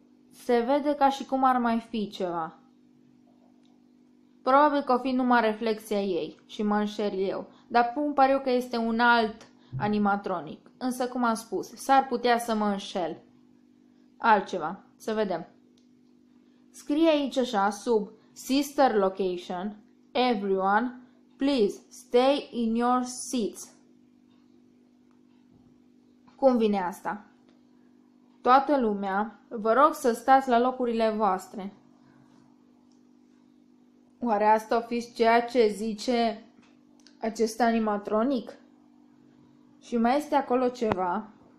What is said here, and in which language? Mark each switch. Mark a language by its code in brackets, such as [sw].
[ro] Se vede ca și cum ar mai fi ceva. Probabil că o fi numai reflexia ei și mă înșer eu. Dar pun pariu că este un alt animatronic. Însă, cum am spus, s-ar putea să mă înșel. Altceva. Să vedem. Scrie aici așa, sub [en] Sister Location, Everyone, please stay in your seats. [ro] Cum vine asta? Toată lumea, vă rog să stați la locurile voastre. Oare asta o fi ceea ce zice acest animatronic? Și mai este acolo ceva?